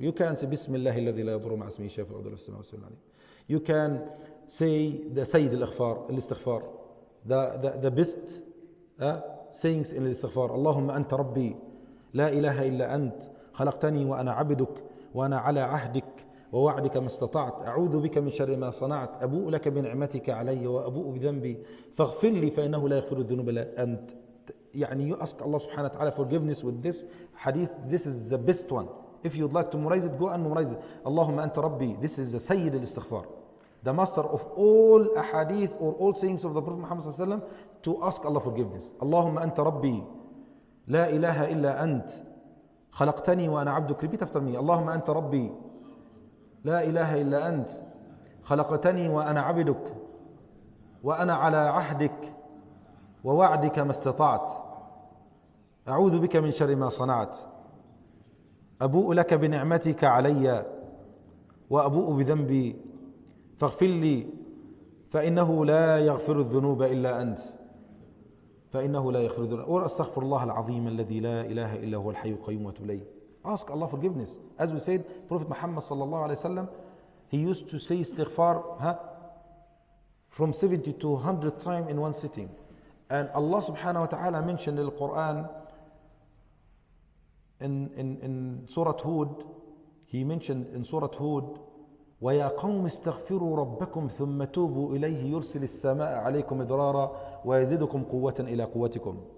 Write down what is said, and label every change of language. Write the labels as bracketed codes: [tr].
[en] You can say [ar] بسم الله الذي لا يضر مع اسمه شيء في الأرض ولا في السماء ولا في الأرض. [en] You can say the [ar] سيد الاغفار الاستغفار [en] the best sayings in [ar] الاستغفار. اللهم أنت ربي لا إله إلا أنت خلقتني وأنا عبدك وأنا على عهدك ووعدك ما استطعت، أعوذ بك من شر ما صنعت، أبوء لك بنعمتك علي وأبوء بذنبي، فاغفر لي فإنه لا يغفر الذنوب إلا أنت. [en] يعني you ask Allah سبحانه وتعالى forgiveness with this hadith. This is the best one. If you'd like to memorize it, go and memorize it. [ar] اللهم أنت ربي. [en] This is the سيد الاستغفار. The master of all ahadith or all sayings of the Prophet Muhammad صلى الله عليه وسلم to ask Allah forgiveness. [ar] اللهم أنت ربي لا إله إلا أنت خلقتني وأنا عبدك. [en] Repeat after me. [ar] اللهم أنت ربي لا إله إلا أنت خلقتني وأنا عبدك وأنا على عهدك ووعدك ما استطعت، أعوذ بك من شر ما صنعت، أبوء لك بنعمتك علي وأبوء بذنبي، فاغفر لي فإنه لا يغفر الذنوب إلا أنت، فإنه لا يغفر الذنوب. أو أستغفر الله العظيم الذي لا إله إلا هو الحي القيوم وأتوب إليه. [en] Ask Allah forgiveness. As we said, Prophet Muhammad sallallahu alayhi wa sallam, he used to say istighfar from 70 to 100 times in one sitting. And Allah subhanahu wa ta'ala mentioned in the Quran, in Surah Hud, he mentioned in Surah Hud, [ar] وَيَا قَوْمِ اسْتَغْفِرُوا رَبَّكُمْ ثُمَّ تُوبُوا إِلَيْهِ يُرْسِلِ السَّمَاءَ عَلَيْكُمْ إِدْرَارًا وَيَزِدُكُمْ قُوَّةً إِلَى قُوَّتِكُمْ.